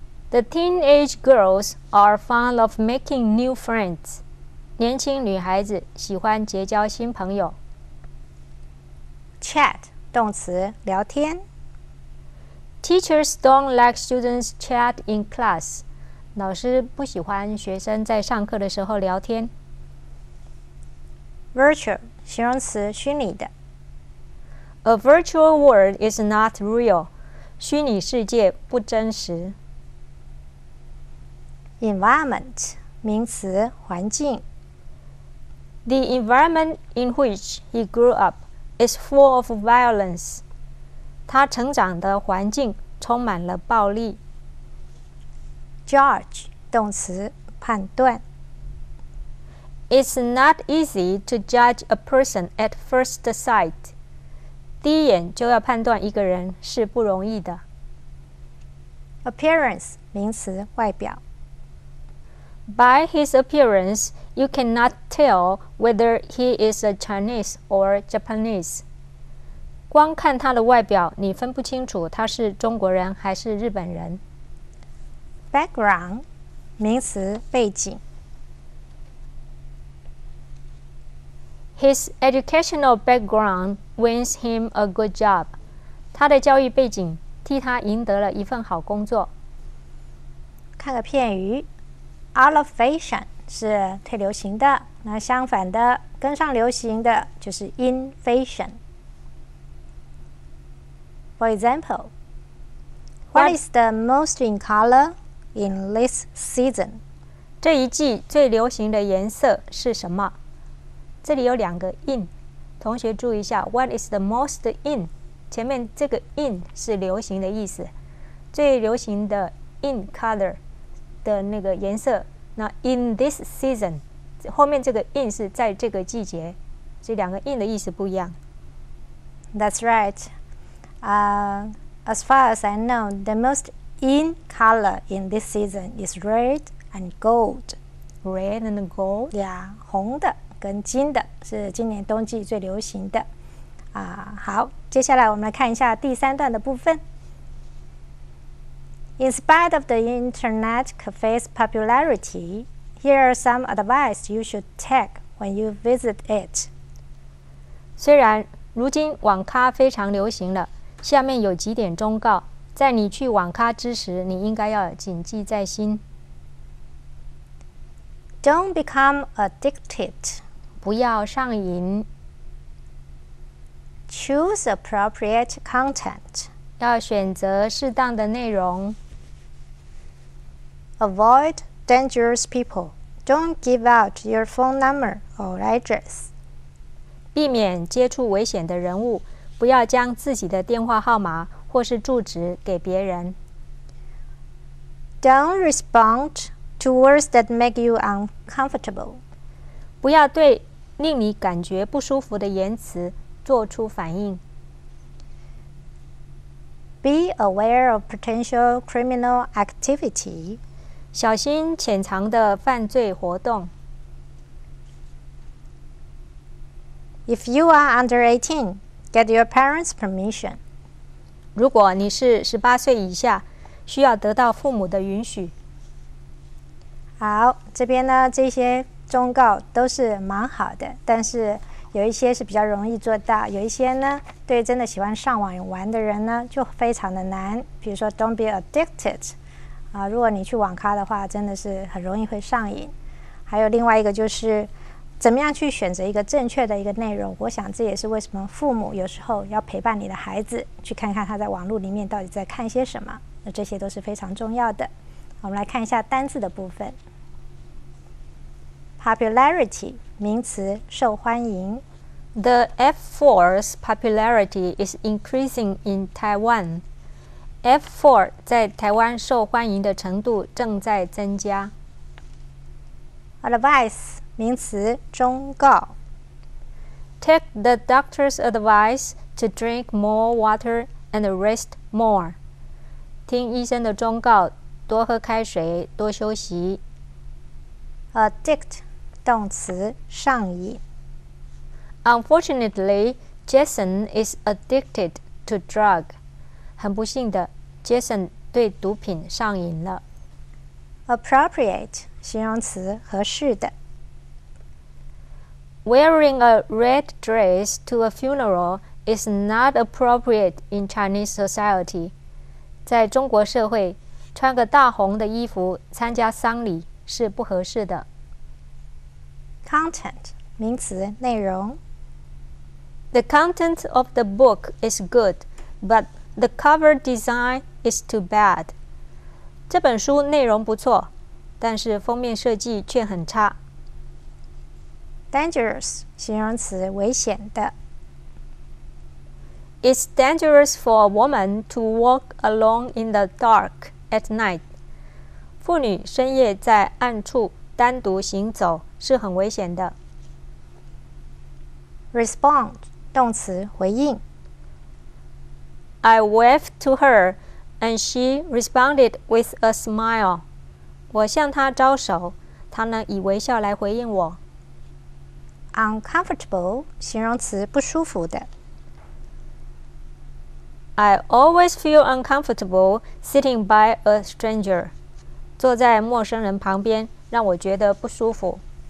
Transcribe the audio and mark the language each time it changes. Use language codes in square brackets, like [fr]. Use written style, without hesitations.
[en] The teenage girls are fond of making new friends. [zh] 年轻女孩子喜欢结交新朋友。 Chat, 动词，聊天。 [en] Teachers don't like students chat in class. [zh] 老师不喜欢学生在上课的时候聊天。 Virtual, 形容词，虚拟的。 [en] A virtual world is not real. [zh] 虚拟世界不真实。 Environment, 名词，环境。 [en] The environment in which he grew up is full of violence. [zh] 他成长的环境充满了暴力。 Judge, 动词，判断。 [en] It's not easy to judge a person at first sight. [zh] 第一眼就要判断一个人是不容易的。 Appearance, 名词，外表。 [en] By his appearance, you cannot tell whether he is a Chinese or Japanese. [zh] 光看他的外表，你分不清楚他是中国人还是日本人。 Background, 名词，背景。 [en] His educational background wins him a good job. [zh] 他的教育背景替他赢得了一份好工作。看个片语 ， [en] out of fashion [zh] 是退流行的，那相反的，跟上流行的就是 [en] in fashion。 For example, what is the most in color? In this season, [zh] 这一季最流行的颜色是什么？这里有两个 in， 同学注意一下 ， [en] What is the most in？ [zh] 前面这个 in 是流行的意思，最流行的 [en] in color [zh] 的那个颜色。那 [en] in this season， [zh] 后面这个 in 是在这个季节，这两个 in 的意思不一样。 [en] That's right. As far as I know, the most in color in this season is red and gold. Red and gold? [zh] Yeah, 红的跟金的是今年冬季最流行的。好，接下来我们来看一下第三段的部分。 [en] In spite of the internet cafe's popularity, here are some advice you should take when you visit it. [zh] 虽然如今网咖非常流行了，下面有几点忠告，在你去网咖之时，你应该要谨记在心。 [en] Don't become addicted. [zh] 不要上瘾。 [en] Choose appropriate content. [zh] 要选择适当的内容。 [en] Avoid dangerous people. Don't give out your phone number or address. [zh] 避免接触危险的人物，不要将自己的电话号码或是住址给别人。 [en] Don't respond to words that make you uncomfortable. [zh] 不要对令你感觉不舒服的言辞做出反应。 [en] Be aware of potential criminal activity. [zh] 小心潜藏的犯罪活动。 [en] If you are under 18, get your parents' permission. [zh] 如果你是18岁以下，需要得到父母的允许。好，这边呢，这些忠告都是蛮好的，但是有一些是比较容易做到，有一些呢，对真的喜欢上网玩的人呢，就非常的难。比如说 ， [en] don't be addicted， [zh] 如果你去网咖的话，真的是很容易会上瘾。还有另外一个就是，怎么样去选择一个正确的一个内容？我想这也是为什么父母有时候要陪伴你的孩子去看看他在网络里面到底在看些什么，那这些都是非常重要的。我们来看一下单字的部分。 Popularity 名词，受欢迎。 [en] The F4's popularity is increasing in Taiwan. [zh] F4 在台湾受欢迎的程度正在增加。 Advice 名词，忠告。 [en] Take the doctor's advice to drink more water and rest more. [zh] 听医生的忠告，多喝开水，多休息。 Addict 动词，上瘾。 [en] Unfortunately, Jason is addicted to drug. [zh] 很不幸的 ，Jason 对毒品上瘾了。 Appropriate 形容词，合适的。 [en] Wearing a red dress to a funeral is not appropriate in Chinese society. [zh] 在中国社会，穿个大红的衣服参加丧礼是不合适的。 Content 名词，内容。 [en] The content of the book is good, but the cover design is too bad. [zh] 这本书内容不错，但是封面设计却很差。 Dangerous 形容词，危险的。 [en] It's dangerous for a woman to walk alone in the dark at night. [zh] 妇女深夜在暗处单独行走是很危险的。 Respond. 动词回应。 [en] I waved to her, and she responded with a smile. [zh] 我向她招手，她呢以微笑来回应我。 Uncomfortable 形容词不舒服的。 [en] I always feel uncomfortable sitting by a stranger. [zh] 坐在陌生人旁边让我觉得不舒服。